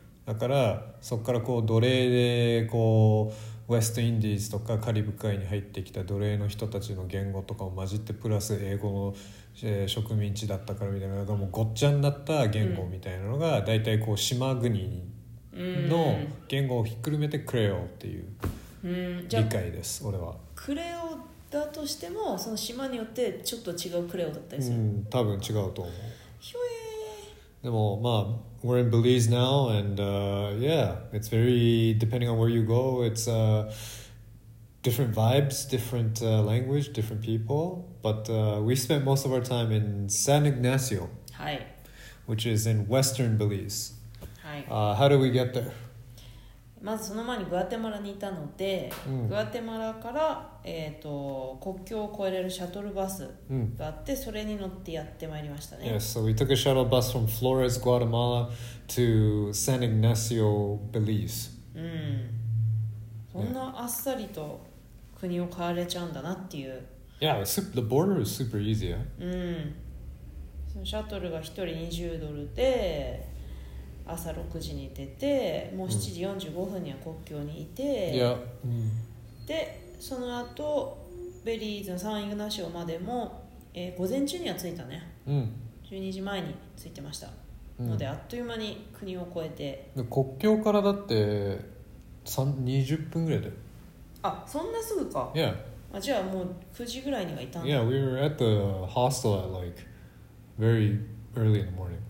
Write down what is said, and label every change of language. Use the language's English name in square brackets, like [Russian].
[Japanese] だからそこからこう奴隷でこう、ウェストインディーズとかカリブ海に入ってきた奴隷の人たちの言語とかを混じってプラス英語の、植民地だったからみたいな、なんかもうごっちゃになった言語みたいなのが、うん、大体こう島国の言語をひっくるめてクレオっていう理解です。うん、俺はクレオだとしてもその島によってちょっと違うクレオだったりする。うん、多分違うと思う。ひょえー。でもまあ [English] We're in Belize now, and yeah, it's very, depending on where you go, it's different vibes, different language, different people. But we spent most of our time in San Ignacio, which is in western Belize. How did we get there? [Japanese] まずその前にグアテマラにいたので、グアテマラから、国境を越えれるシャトルバスがあって、それに乗ってやってまいりましたね。 [English] Yes, so we took a shuttle bus from Flores, Guatemala to San Ignacio, Belize. [Japanese] うん。こんなあっさりと国を変われちゃうんだなっていう。 [English] Yeah, the border is super easy, yeah? [Japanese] うん。そのシャトルが1人20ドルで、朝6時に出て、もう7時45分には国境にいて、で、その後、ベリーズのサン・イグナシオまでも、午前中には着いたね。 12時前に着いてました。ので、あっという間に国を越えて。で、国境からだって20分ぐらいで。あ、そんなすぐか。 [English] Yeah. [Japanese] あ、じゃあもう9時ぐらいにはいたんだ。 [English] Yeah, we were at the hostel at like very early in the morning.